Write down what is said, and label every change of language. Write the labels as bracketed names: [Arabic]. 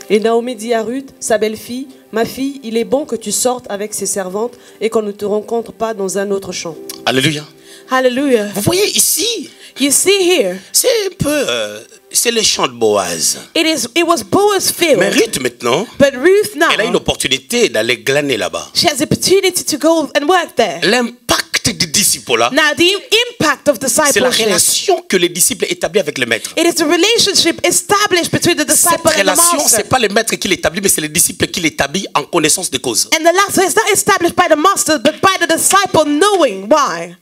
[French] Et Naomi dit à Ruth, sa belle-fille, ma fille, il est bon que tu sortes avec ses servantes et qu'on ne te rencontre pas dans un autre champ. Alléluia. Alléluia. Vous voyez ici. [English] You see here. [French] C'est un peu, c'est le champ de Boaz. [English] It was Boaz's field. [French] Mais Ruth maintenant. [English] But Ruth now. [French] Elle a une opportunité d'aller glaner là-bas. [English] She has the opportunity to go and work there. [French] L'impact. l'impact du discipolat. [English] Now the impact of discipleship. [French] C'est la relation que les disciples établissent avec le maître. [English] It is the relationship established between the disciple and the master. [French] Cette relation, c'est pas le maître qui l'établit, mais c'est les disciples qui l'établissent en connaissance de cause. [English] And the latter is not established by the master, but by the disciple knowing why.